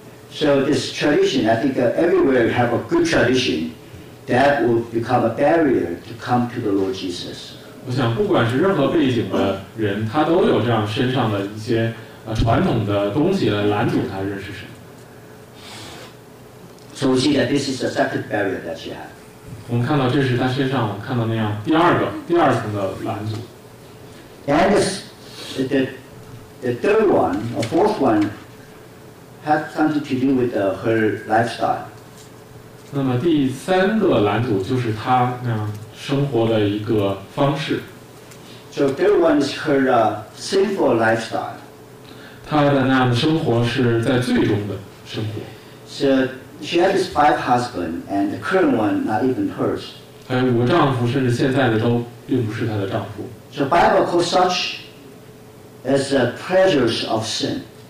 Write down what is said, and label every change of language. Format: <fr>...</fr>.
<en>So this tradition, I think everywhere you have a good tradition, that will become a barrier to come to the Lord Jesus.</en> <zh>我想，不管是任何背景的人，他都有这样身上的一些传统的东西来拦阻他认识神。</zh> <en>So we see that this is the second barrier that she had.</en> <zh>我们看到这是他身上看到那样第二层的拦阻。</zh> <en>And the third one, or fourth one, had something to do with her lifestyle.</en> <zh>那么第三个拦阻就是他那样生活的一个方式。</zh> <en>So third one is her sinful lifestyle.</en> <zh>她的那样的生活是在最终的生活。</zh> <en>So she had this five husbands, and the current one not even hers.</en> <zh>她有五个丈夫，甚至现在的都并不是她的丈夫。</zh> <en>So Bible calls such as the pleasures of sin.</en>